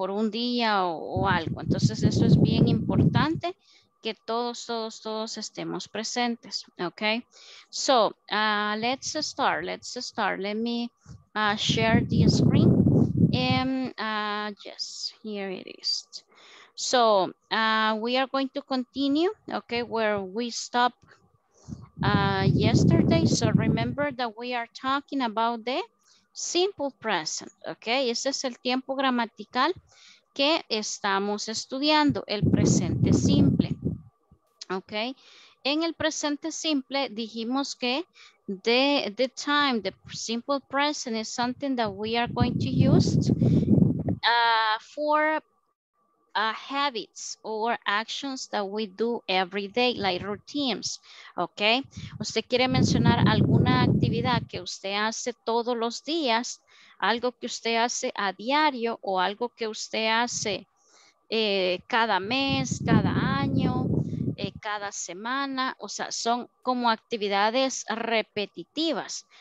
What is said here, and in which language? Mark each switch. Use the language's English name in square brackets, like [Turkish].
[Spanish] Por un día o algo. Entonces eso es bien importante, que todos estemos presentes, ¿ok? [English] So, let's start, Let me share the screen. Yes, here it is. So, we are going to continue, okay, where we stopped yesterday. So, remember that we are talking about the simple present, okay? [Spanish] Ese es el tiempo gramatical que estamos estudiando, el presente simple, okay? En el presente simple dijimos que [English] the time, the simple present is something that we are going to use for habits or actions that we do every day, like routines, okay? [Spanish] Usted quiere mencionar alguna actividad que usted hace todos los días, algo que usted hace a diario o algo que usted hace cada mes, cada año, cada semana, o sea, son como actividades repetitivas.